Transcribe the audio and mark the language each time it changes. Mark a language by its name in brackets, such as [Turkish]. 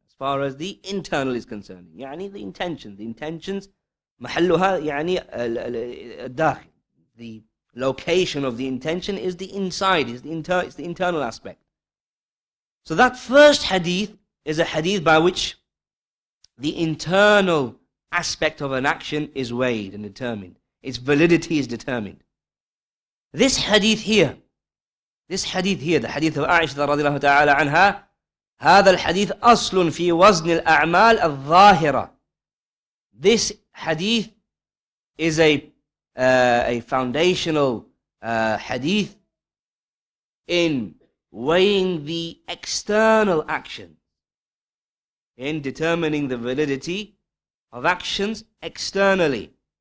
[English] As far as the internal is concerned. يعني the intention. The intentions, [Arabic] محلها يعني الداخل. [English] The location of the intention is the inside, is the internal aspect. So that first hadith is a hadith by which the internal aspect of an action is weighed and determined. Its validity is determined. This hadith here, the hadith of Aisha radiallahu ta'ala anha, [Arabic] هذا الحديث أصل في وزن الأعمال الظاهرة. [English] This hadith is a foundational hadith in weighing the external action, in determining the validity of actions externally.